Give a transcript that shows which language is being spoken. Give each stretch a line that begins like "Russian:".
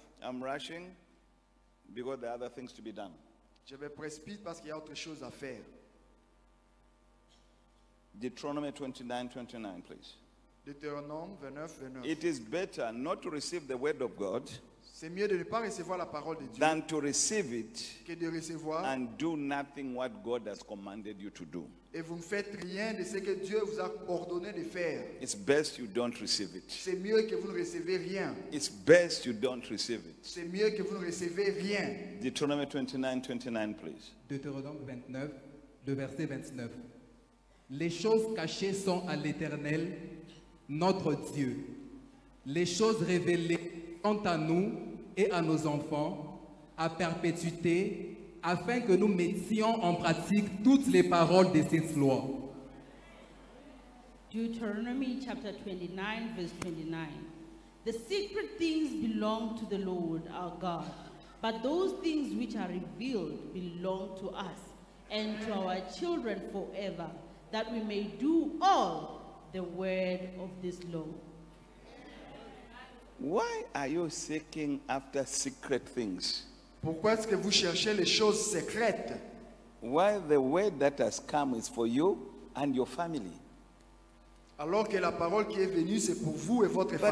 English: I'm rushing because there are other things to be done.
French: Je me précipite parce qu'il y a autre chose à faire.
English: Deuteronomy 29, 29, please.
French: Deutéronome 29, 29.
English: It is better not to receive the word of God.
French: C'est mieux de ne pas recevoir la parole de Dieu
English: than to receive it
French: que de recevoir
English: and do nothing what God has commanded you to do.
French: Et vous ne faites rien de ce que Dieu vous a ordonné de faire.
English: It's best you don't receive it.
French: C'est mieux que vous ne recevez rien.
English: It's best you don't receive it.
French: C'est mieux que vous ne recevez rien.
English: Deuteronomy 29, 29, please.
French: Deutéronome 29, le verset 29. Les choses cachées sont à l'Éternel, notre Dieu. Les choses révélées quant à nous et à nos enfants, à perpétuité, afin que nous mettions en pratique toutes les paroles de cette loi.
English: Deuteronomy chapter 29, verse 29. The secret things belong to the Lord our God, but those things which are revealed belong to us and to our children forever, that we may do all the word of this law. Why are you seeking after secret things?
French: Pourquoi est-ce que vous cherchez les choses secrètes?
English: Why the word that has come is for you and your family?
French: Alors que la parole qui est venue c'est pour vous et votre famille.